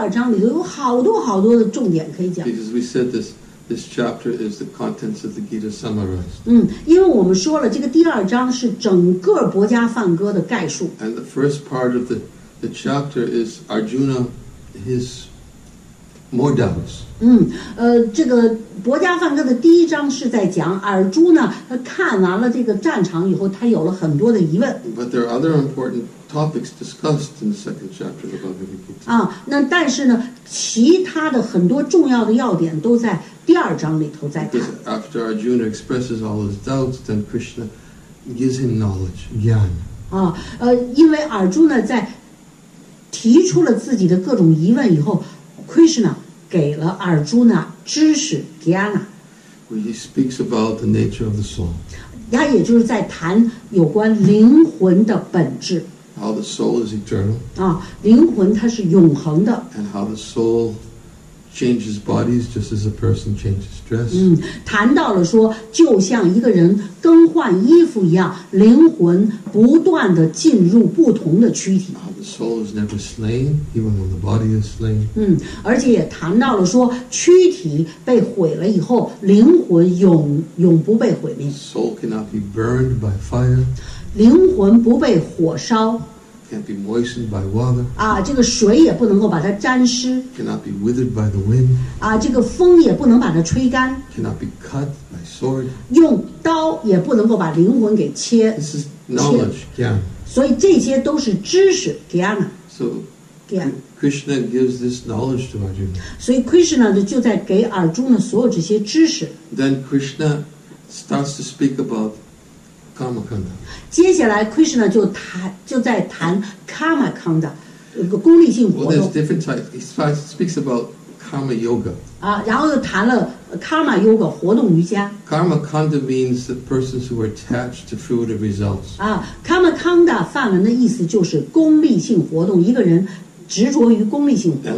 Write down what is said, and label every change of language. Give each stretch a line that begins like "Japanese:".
Chinese: 因为在这个第二章《国家梵歌》的第二章里头，有好多好多的重点可以讲。
English: Because we said this chapter is the contents of the Gita summarized.
Chinese: 因为我们说了，这个第二章是整个《国家梵歌》的概述。
English: And the first part of the chapter is Arjuna, his more doubts.
Chinese: 这个《国家梵歌》的第一章是在讲阿尔朱纳，他看完了这个战场以后，他有了很多的疑问。
English: But there are other important topics discussed in the second chapter of the Bhagavad Gita.
Chinese: 那但是呢，其他的很多重要的要点都在第二章里头在谈。
English: Because after Arjuna expresses all his doubts, then Krishna gives him knowledge, jnana.
Chinese: 因为阿尔朱纳在提出了自己的各种疑问以后，Krishna 给了阿尔朱纳知识 ，Gyana。
English: When he speaks about the nature of the soul，
Chinese: 他也就是在谈有关灵魂的本质。
English: how the soul is eternal.
Chinese: 啊，灵魂它是永恒的。
English: And how the soul changes bodies just as a person changes dress.
Chinese: 嗯，谈到了说，就像一个人更换衣服一样，灵魂不断的进入不同的躯体。
English: How the soul is never slain, even when the body is slain.
Chinese: 嗯，而且也谈到了说，躯体被毁了以后，灵魂永不被毁灭。
English: Soul cannot be burned by fire.
Chinese: 灵魂不被火烧
English: can't be moistened by water.
Chinese: 啊，这个水也不能够把它沾湿
English: cannot be withered by the wind.
Chinese: 啊，这个风也不能把它吹干
English: cannot be cut by sword.
Chinese: 用刀也不能够把灵魂给切
English: This is knowledge, Gyana.
Chinese: 所以这些都是知识 Gyana.
English: So, Krishna gives this knowledge to Arjuna.
Chinese: 所以 Krishna 就在给 Arjuna 所有这些知识
English: Then Krishna starts to speak aboutKamakanda.
Chinese: 接下来 Krishna 就在谈 Kamakanda 功利性活动
English: Well, there's different types. He speaks about Karma Yoga.
Chinese: 啊，然后又谈了 Karma Yoga 活动瑜伽
English: Kamakanda means the persons who are attached to fruitive results.
Chinese: 啊 ，Kamakanda 梵文的意思就是功利性活动，一个人执着于功利性活动。